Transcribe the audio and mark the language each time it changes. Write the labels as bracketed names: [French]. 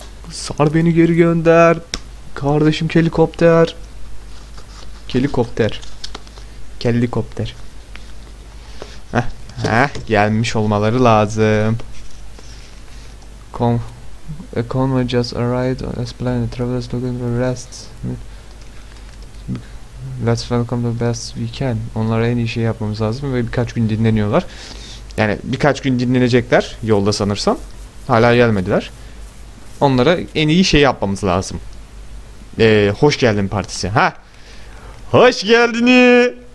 [Turkish] Sar beni, geri gönder. Kardeşim helikopter. Helikopter. Helikopter. Heh, gelmiş olmaları lazım. [English] A convoy just arrived on this planet. Travelers looking for rest. Let's welcome the best we can. [Turkish] Onlara en iyi şey yapmamız lazım ve birkaç gün dinleniyorlar. Yani birkaç gün dinlenecekler yolda sanırsam. Hala gelmediler. Onlara en iyi şey yapmamız lazım. Hoş geldin partisi. Ha? Hoş geldiniz.